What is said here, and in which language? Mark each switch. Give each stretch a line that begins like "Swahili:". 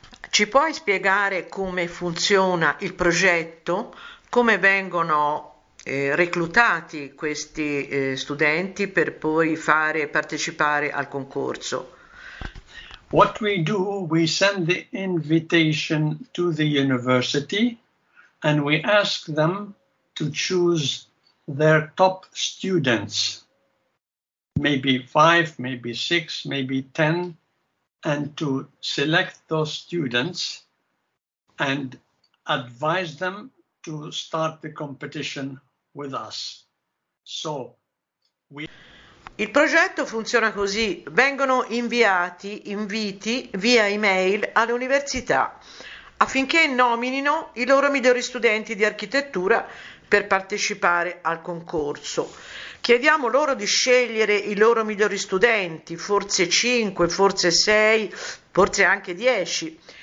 Italian: Ci puoi spiegare come funziona il progetto, come vengono reclutati questi studenti per poi fare partecipare al concorso?
English: What we do, we send the invitation to the university and we ask them to choose their top students, maybe 5, maybe 6, maybe 10. And to select those students and advise them to start the competition with us.
Italian: Il progetto funziona così: vengono inviati inviti via email alle università affinché nominino i loro migliori studenti di architettura per partecipare al concorso. Chiediamo loro di scegliere i loro migliori studenti, forse 5, forse 6, forse anche 10.